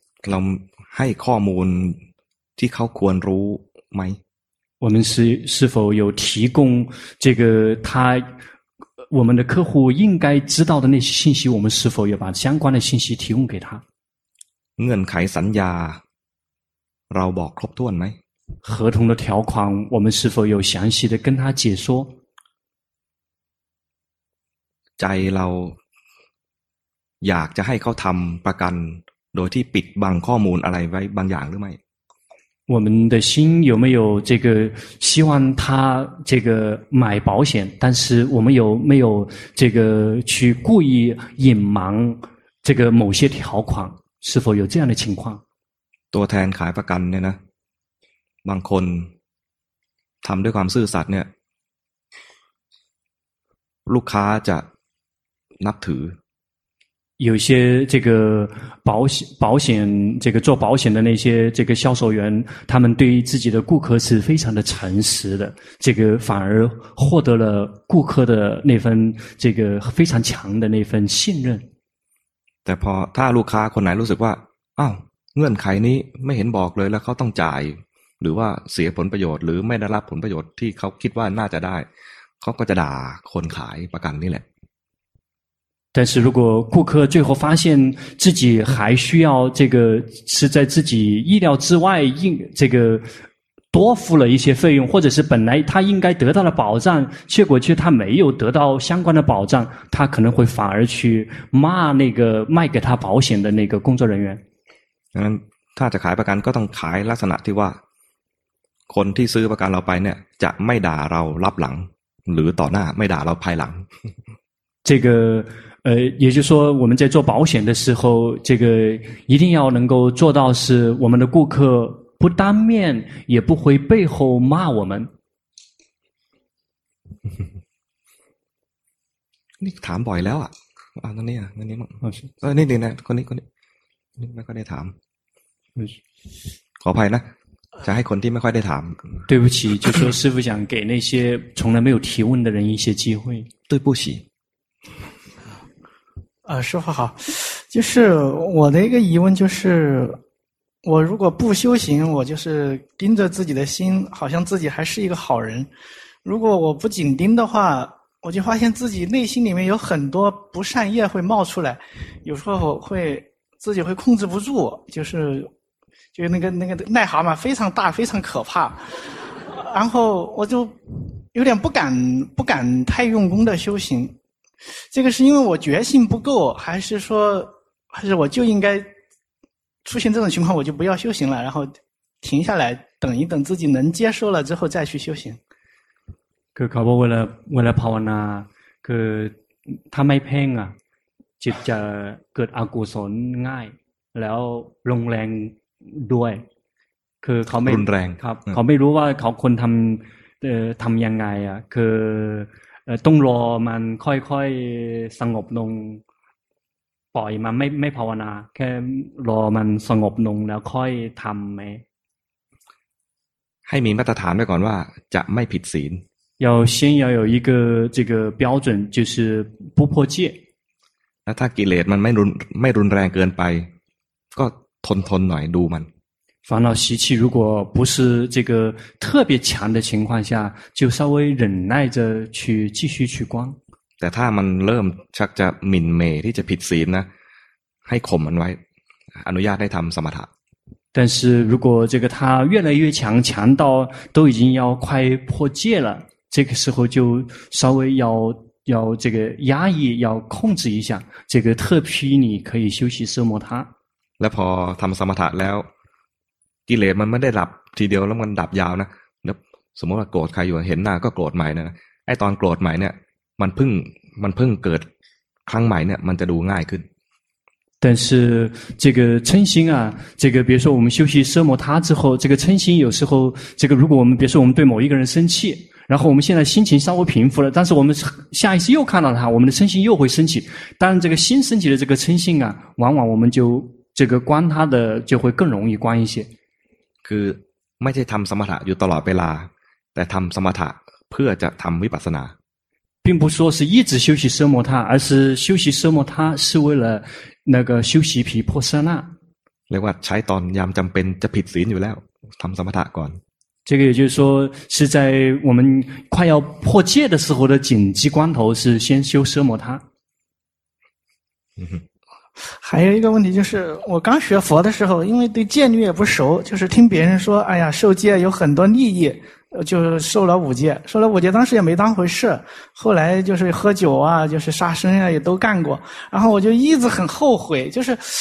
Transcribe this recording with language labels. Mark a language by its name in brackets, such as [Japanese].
[Thai] เราให้ข้อมูลที่เขาควรรู้ไหม [Chinese] 我们是否有提供这个他我们的客户应该知道的那些信息，我们是否要把相关的信息提供给他？ [Thai] เงื่อนไขสัญญาเราบอกครบถ้วนไหม？ [Chinese] 合同的条款，我们是否有详细的跟他解说？ [Thai] ใจเราอยากจะให้เขาทำประกันโดยที่ปิดบังข้อมูลอะไรไว้บางอย่างหรือไม่ [Chinese] 我们的心有没有这个希望他这个买保险，但是我们有没有这个去故意隐瞒这个某些条款，是否有这样的情况？ [Thai] ตัวแทนขายประกันเนี่ยนะบางคนทำด้วยความซื่อสัตย์เนี่ยลูกค้าจะนับถือ [Chinese] 有些这个保险这个做保险的那些这个销售员，他们对于自己的顾客是非常的诚实的，这个反而获得了顾客的那份这个非常强的那份信任。 [Thai] แต่พอถ้าลูกค้าคนไหนรู้สึกว่าอ้าวเงื่อนไขนี้ไม่เห็นบอกเลยแล้วเขาต้องจ่ายหรือว่าเสียผลประโยชน์หรือไม่ได้รับผลประโยชน์ที่เขาคิดว่าน่าจะได้เขาก็จะด่าคนขายประกันนี่แหละ [Chinese] 但是如果顾客最后发现自己还需要这个是在自己意料之外应这个多付了一些费用，或者是本来他应该得到的保障，结果却他没有得到相关的保障，他可能会反而去骂那个卖给他保险的那个工作人员。 [Thai] 嗯，ถ้าจะขายประกันก็ต้องขายลักษณะที่ว่าคนที่ซื้อประกันเราไปเนี่ยจะไม่ด่าเรารับหลังหรือต่อหน้าไม่ด่าเราภายหลัง [Chinese] 这个也就是说我们在做保险的时候，这个一定要能够做到是我们的顾客不当面也不会背后骂我们。你 [Thai] ถามบ่อยแล้วอ่ะนั่นนี่อ่ะนั่นนี่มั้งนี่ดีนะคนนี้คนนี้ไม่ค่อยได้ถามขออภัยนะจะให้คนที่ไม่ค่อยได้ถาม [Chinese] 对不起就说师父想给那些从来没有提问的人一些机会对不起师父好，就是我的一个疑问，就是我如果不修行，我就是盯着自己的心，好像自己还是一个好人。如果我不紧盯的话，我就发现自己内心里面有很多不善业会冒出来，有时候我会自己会控制不住，就是那个癞蛤蟆非常大，非常可怕。然后我就有点不敢太用功的修行。这个是因为我决心不够，还是我就应该出现这种情况，我就不要修行了，然后停下来，等一等自己能接受了之后再去修行。 [Thai] คือเขาบอกเวลาภาวนาคือถ้าไม่เพ่งอ่ะจิตจะเกิดอกุศลง่ายแล้วลงแรงด้วยคือเขาไม่ รุนแรง ครับเขาไม่รู้ว่าเขาควรทำยังไงอ่ะคือต้องรอมันค่อยๆสงบลงปล่อยมันไม่ภาวนาแค่รอมันสงบลงแล้วค่อยทำไหม ให้มีมาตรฐานไว้ก่อนว่าจะไม่ผิดศีล [Chinese] 要先要有一个这个标准就是不破戒 [Thai] แล้วถ้ากิเลสมันไม่รุนแรงเกินไปก็ทนหน่อยดูมัน [Chinese] 烦恼习气如果不是这个特别强的情况下，就稍微忍耐着去继续去观。 [Thai] แต่ถ้ามันเริ่มชักจะหมิ่นเหม่ที่จะผิดศีลนะให้ข่มมันไว้อนุญาตให้ทำสมถะ [Chinese] 但是如果这个他越来越强，强到都已经要快破戒了，这个时候就稍微要这个压抑，要控制一下。这个特批你可以休息奢摩他。 [Thai] แล้วพอทำสมถะแล้วกิเลสมันไม่ได้ดับทีเดียวแล้วมันดับยาวนะสมมติว่าโกรธใครอยู่เห็นหน้าก็โกรธใหม่นะไอ้ตอนโกรธใหม่เนี่ยมันเพิ่งเกิดครั้งใหม่เนี่ยมันจะดูง่ายขึ้น [Chinese] 但是这个嗔心啊，这个比如说我们休息奢摩他之后，这个嗔心有时候，这个如果我们比如说我们对某一个人生气，然后我们现在心情稍微平复了，但是我们下一次又看到他，我们的嗔心又会升起。但这个新升起的这个嗔心啊，往往我们就这个观他的就会更容易观一些。 [Thai] คือไม่ใช่ทำสมถะอยู่ตลอดเวลาแต่ทำสมถะเพื่อจะทำวิปัสสนา [Chinese] 并不说是一直修习奢摩他而是修习奢摩他是为了那个修习毗婆舍那 [Thai] เรียกว่าใช้ตอนยามจำเป็นจะผิดศีลอยู่แล้วทำสมถะก่อน [Chinese] 这个也就是说是在我们快要破戒的时候的紧急关头是先修奢摩他。还有一个问题就是我刚学佛的时候因为对戒律也不熟，就是听别人说哎呀受戒有很多利益，就受了五戒，受了五戒当时也没当回事，后来就是喝酒啊就是杀生啊也都干过，然后我就一直很后悔，就是